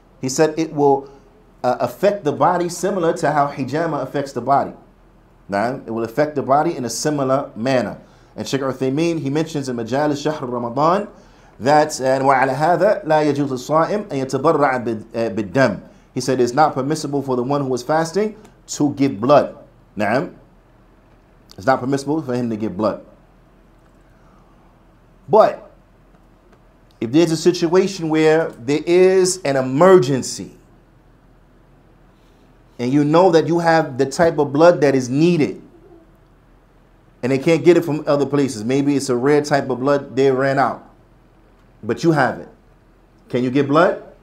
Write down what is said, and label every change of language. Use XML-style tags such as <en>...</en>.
<en>He said it will affect the body similar to how hijama affects the body. Now, it will affect the body in a similar manner. And Sheikh Uthaymeen, he mentions in Majalis Shahr Ramadan</en> <ar>that وعلى هذا لا يجوز الصائم أن يتبرع بالدم.</ar> <en>He said it's not permissible for the one who is fasting to give blood.</en> <ar>نعم.</ar> <en>It's not permissible for him to give blood. But if there's a situation where there is an emergency and you know that you have the type of blood that is needed and they can't get it from other places, maybe it's a rare type of blood they ran out, but you have it, can you get blood?</en>